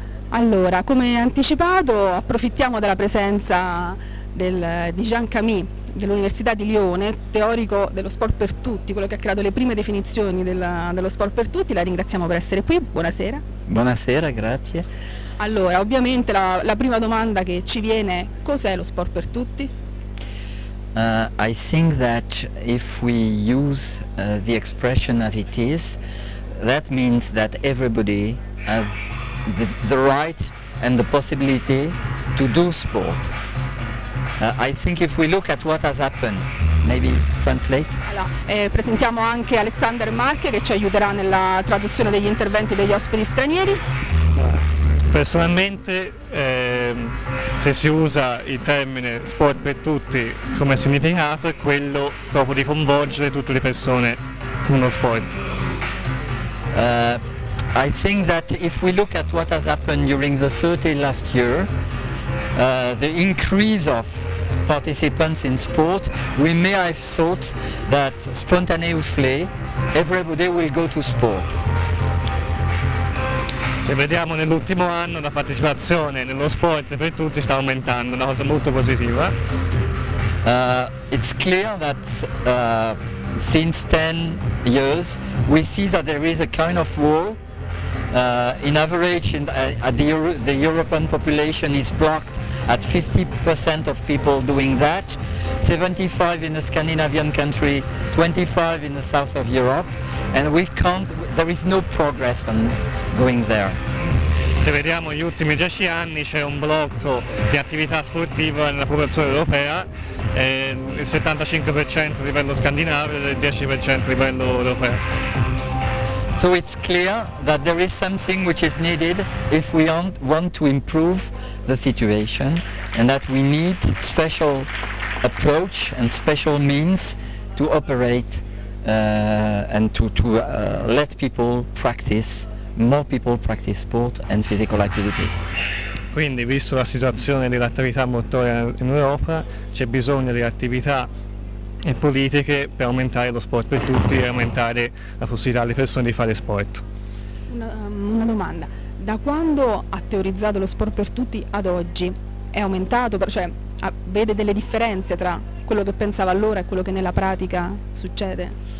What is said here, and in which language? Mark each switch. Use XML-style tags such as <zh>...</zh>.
<it>Allora, come anticipato, approfittiamo della presenza di Jean Camus dell'Università di Lione, teorico dello sport per tutti, quello che ha creato le prime definizioni dello sport per tutti. La ringraziamo per essere qui, buonasera. Buonasera, grazie. Allora, ovviamente la prima domanda che ci viene è: cos'è lo sport per tutti?</it> <en>I think that if we use the expression as it is, that means that everybody has the right and the possibility to do sport. I think if we look at what has happened, maybe translate.</en> <it>Presentiamo anche Alexander Marche che ci aiuterà nella traduzione degli interventi degli ospiti stranieri. Personalmente, se si usa il termine sport per tutti come significato, è quello proprio di coinvolgere tutte le persone in uno sport.</it> <en>I think that if we look at what has happened during the 30 last year, the increase of participants in sport, we may have thought that spontaneously everybody will go to sport.</en> <it>Se vediamo nell'ultimo anno la partecipazione nello sport per tutti sta aumentando, una cosa molto positiva.</it> <en>It's clear that since 10 years we see that there is a kind of wall. In average the European population is blocked at 50% of people doing that, 75 in the Scandinavian country, 25 in the south of Europe, and we can't, there is no progress on going there.</en> <it>Se vediamo gli ultimi 10 anni c'è un blocco di attività sportiva nella popolazione europea, il 75% a livello scandinavo e il 10% a livello europeo.</it> <en>So it's clear that there is something which is needed if we want to improve the situation and that we need special approach and special means to operate and to let people practice, more people practice sport and physical activity.</en> <it>Quindi, visto la situazione dell'attività motoria in Europa, c'è bisogno di attività e politiche per aumentare lo sport per tutti e aumentare la possibilità alle persone di fare sport. Una domanda: da quando ha teorizzato lo sport per tutti ad oggi è aumentato, cioè vede delle differenze tra quello che pensava allora e quello che nella pratica succede?</it>